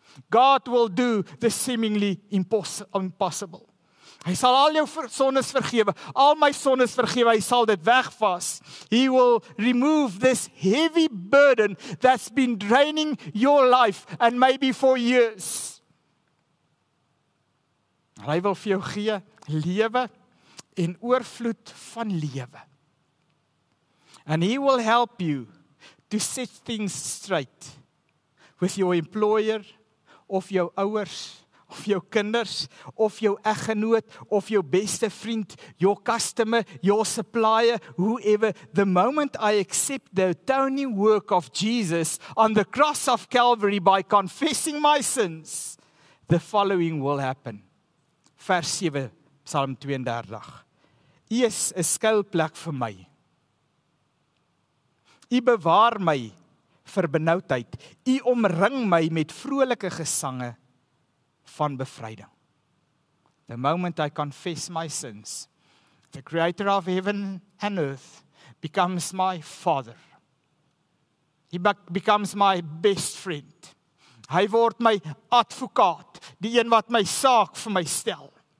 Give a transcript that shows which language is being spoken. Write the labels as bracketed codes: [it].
[en] God will do the seemingly impossible. [af] Hy sal al jou sondes vergewe. Al my sondes vergewe. Hy sal dit wegvas. [en] He will remove this heavy burden that's been draining your life and maybe for years. [af] Hy wil vir jou gee lewe en oorvloed van lewe. [en] And he will help you to set things straight with your employer, [af] of jou ouers, of jou kinders, of jou eggenoot, of jou beste vriend, jou customer, jou supplier, [en] whoever, the moment I accept the atoning work of Jesus on the cross of Calvary by confessing my sins, the following will happen. [af] Vers 7, Psalm 32. U is een skuilplek vir my. U bewaar my vir benauwdheid. U omring my met vrolijke gesange van bevrijding. [en] The moment I confess my sins, the creator of heaven and earth becomes my father. He becomes my best friend. [af] Hy word my advokaat, die een wat my saak vir my stel.